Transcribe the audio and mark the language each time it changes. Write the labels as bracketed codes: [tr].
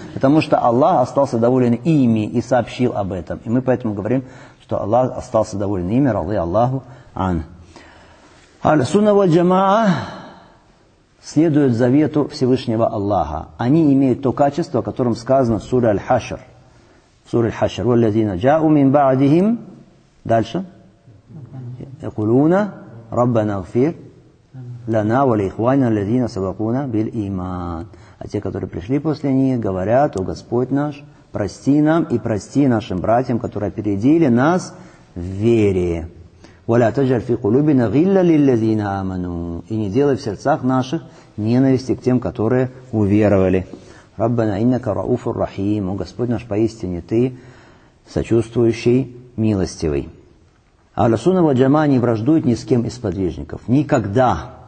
[ru] Потому что Аллах остался доволен ими и сообщил об этом. И мы поэтому говорим, что Аллах остался доволен ими, рады Аллаху ан. Аль-Сунна валь-Джамаа следуют завету Всевышнего Аллаха. Они имеют то качество, о котором сказано в суре Аль-Хашр. [ar] سورة الحشر والذين جاءوا من بعدهم [ru] дальше [ar] يقولون ربنا اغفر لنا ولإخواننا الذين سبقونا بالإيمان. [ru] А те, которые пришли после них, говорят: о Господь наш, прости нам и прости нашим братьям, которые опередили нас в вере. [ar] ولا تجعل في قلوبنا غلا للذين آمنوا. [ru] И не делай в сердцах наших ненависти к тем, которые уверовали. [ar] Раббана иннака рауфур рахим. [ru] О Господь наш, поистине ты сочувствующий, милостивый. Аль сунна валь джамаа не враждует ни с кем из подвижников. Никогда.